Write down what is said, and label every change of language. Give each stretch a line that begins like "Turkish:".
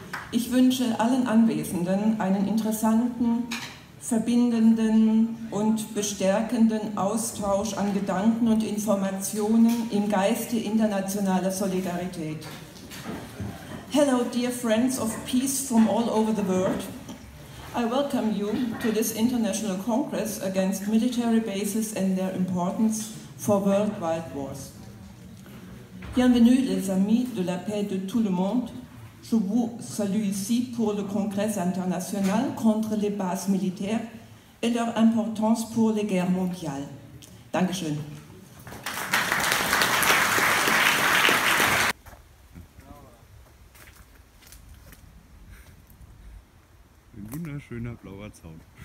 German: Ich wünsche allen Anwesenden einen interessanten, verbindenden und bestärkenden Austausch an Gedanken und Informationen im Geiste internationaler Solidarität.
English: Hello, dear friends of peace from all over the world. I welcome you to this International Congress against military bases and their importance for worldwide wars.
French: Bienvenue les amis de la paix de tout le monde. Je vous salue ici pour le Congrès international contre les bases militaires et leur importance pour les guerres mondiales.
German: Dankeschön. Ein wunderschöner blauer Zaun.